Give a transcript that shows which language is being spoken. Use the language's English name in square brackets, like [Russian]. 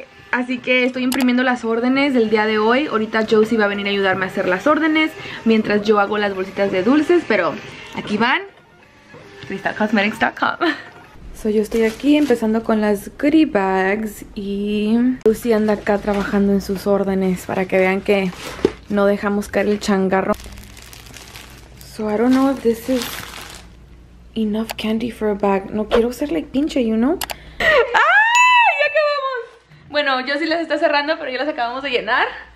[Spanish] Así que estoy imprimiendo las órdenes del día de hoy. Ahorita Josie va a venir a ayudarme a hacer las órdenes mientras yo hago las bolsitas de dulces, pero aquí van. [English] crystalcosmetics.com. [Spanish] So, yo estoy aquí empezando con las goodie bags y Lucy anda acá trabajando en sus órdenes para que vean que no dejamos caer el changarro. [English] So, I don't know if this is enough candy for a bag. [Spanish] No quiero ser like pinche, [English] you know? [Spanish] ¡Ah! ¡Ya acabamos! Bueno, yo sí las estoy cerrando, pero ya las acabamos de llenar.